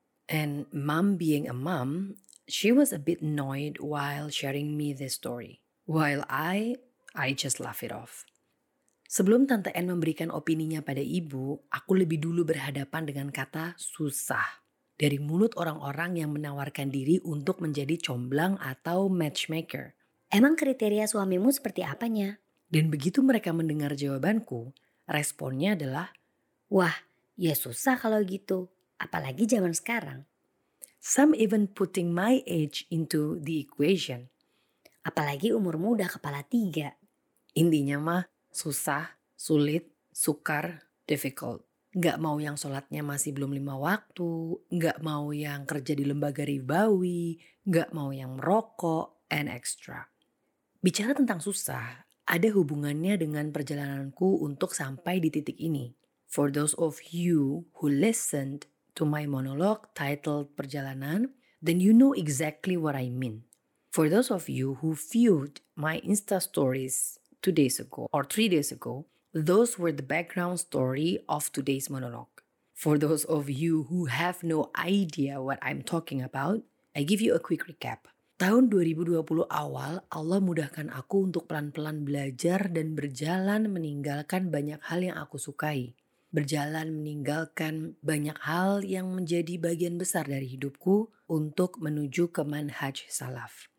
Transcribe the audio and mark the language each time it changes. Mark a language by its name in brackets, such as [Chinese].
[English] And mom being a mom, she was a bit annoyed while sharing me this story. While I just laugh it off. [Indonesian] Sebelum Tante N memberikan opininya pada ibu, aku lebih dulu berhadapan dengan kata susah. Dari mulut orang-orang yang menawarkan diri untuk menjadi comblang atau matchmaker. Emang kriteria suamimu seperti apanya? Dan begitu mereka mendengar jawabanku, responnya adalah, "Wah, ya susah kalau gitu, apalagi zaman sekarang." [English] Some even putting my age into the equation. [Indonesian] Apalagi umurmu udah kepala tiga. Intinya mah, susah, sulit, sukar, difficult. Gak mau yang sholatnya masih belum lima waktu, gak mau yang kerja di lembaga ribawi, gak mau yang merokok, [English] and extra. [Indonesian] Bicara tentang susah, ada hubungannya dengan perjalananku untuk sampai di titik ini. [English] For those of you who listened to my monologue titled Perjalanan, then you know exactly what I mean. For those of you who viewed my Insta stories 2 days ago or 3 days ago, those were the background story of today's monologue. For those of you who have no idea what I'm talking about, I give you a quick recap. [Indonesian] Tahun 2020 awal, Allah mudahkan aku untuk pelan-pelan belajar dan berjalan meninggalkan banyak hal yang aku sukai. Berjalan meninggalkan banyak hal yang menjadi bagian besar dari hidupku untuk menuju ke manhaj salaf.